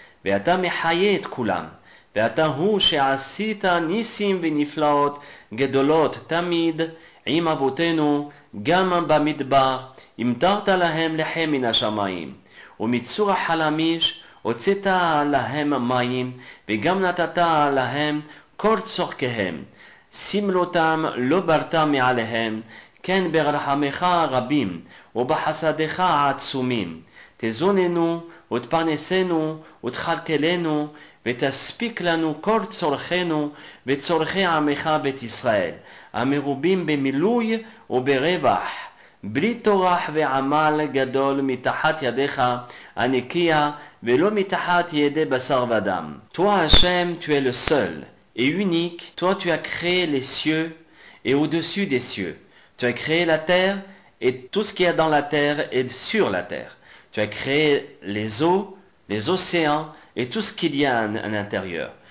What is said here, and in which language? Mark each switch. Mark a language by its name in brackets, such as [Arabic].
[Hebrew] v'ata mechaye et kulam, v'ata hu she'asita nisim v'niflaot gedolot tamid, im avotenu, gam b'midbar, imtarta lahem lechem min ha-shamayim, u'mitzur ha-chalamish, הוצאת להם מים, וגם נתת להם כל צורכיהם. סמלותם לא ברת מעליהם, כן ברחמך רבים, ובחסדך עצומים. תזוננו, ותפרנסנו, ותכלכלנו, ותספיק לנו כל צורכנו, וצורכי עמך בית ישראל, המרובים במילוי וברווח. בלי תורח ועמל גדול מתחת ידיך, הנקייה, ולא מתחת ידי בשר ודם. [French] Toi Hashem, tu es le seul et unique. Toi, tu as créé les cieux et au-dessus des cieux. Tu as créé la terre et tout ce qu'il y a dans la terre et sur la terre. Tu as créé les eaux, les océans et tout ce qu'il y a à l'intérieur.